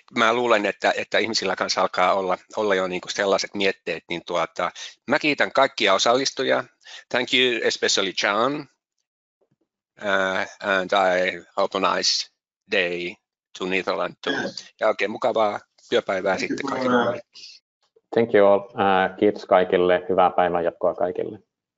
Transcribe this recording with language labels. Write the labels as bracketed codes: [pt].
[fi] Mä luulen, että ihmisillä kanssa alkaa olla jo niin kuin sellaiset mietteet. Niin mä kiitän kaikkia osallistujia. [en] Thank you especially, John. And I hope a nice day to Netherlands too. Yes. [fi] Ja oikein mukavaa työpäivää sitten kaikille. [en] Thank you all. [fi] Kiitos kaikille. Hyvää päivänjatkoa kaikille.